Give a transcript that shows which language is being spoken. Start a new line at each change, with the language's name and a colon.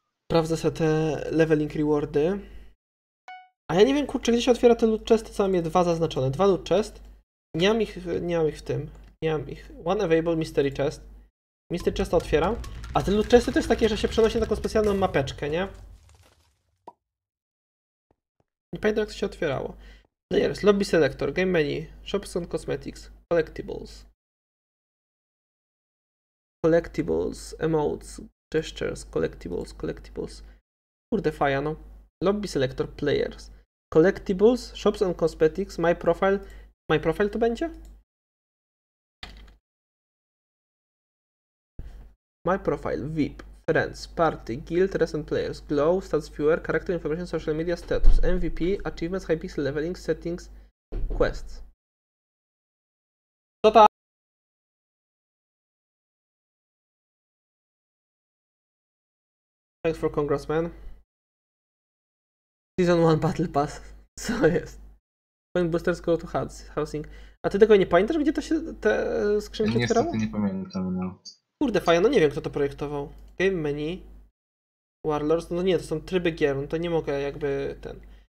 Polish: Sprawdzę sobie te leveling rewardy. A ja nie wiem, kurczę, gdzie się otwiera te loot chesty, co mam je dwa zaznaczone. Dwa loot chest. Nie mam ich w tym. Nie mam ich.
English: One available mystery chest. Mystery chest
Polish: otwieram.
English: A te loot chesty to jest takie, że się przenosi na taką specjalną mapeczkę, nie? Nie pamiętam, jak to się otwierało. Players, lobby selector, game menu, shops and cosmetics, collectibles. Collectibles, emotes, gestures, collectibles.
Polish: Kurde, faja, no.
English: Lobby selector, players. Collectibles, shops and cosmetics, my profile
Polish: to będzie?
English: My profile, VIP, friends, party, guild, recent players, glow, stats viewer, character information, social media, status, MVP, achievements, high pixel leveling, settings, quests.
Polish: Co tam?
English: Thanks for congrats, man. Season 1 Battle Pass.
Polish: Co jest?
English: Coin boosters go to housing.
Polish: A ty tego nie pamiętasz, gdzie to się te skrzynki otwierały? Niestety nie pamiętam, no. Kurde, fajnie, no nie wiem, kto to projektował. Game menu. Warlords. No nie, to są tryby gier, no to nie mogę jakby ten.